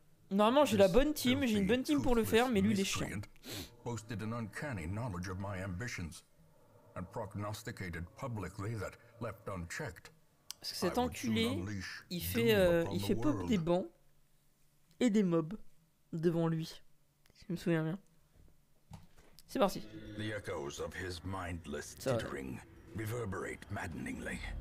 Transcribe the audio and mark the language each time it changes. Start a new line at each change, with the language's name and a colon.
French: Normalement, j'ai la bonne team, j'ai une bonne team pour le faire, mais lui, il est chiant.
English: Posted an uncanny knowledge of my ambitions and prognosticated publicly that left unchecked.
French: Parce que cet enculé, il fait pop des bancs et des mobs devant lui. Si je me souviens bien. C'est parti.
English: The echoes of his mindless tittering reverberate maddeningly.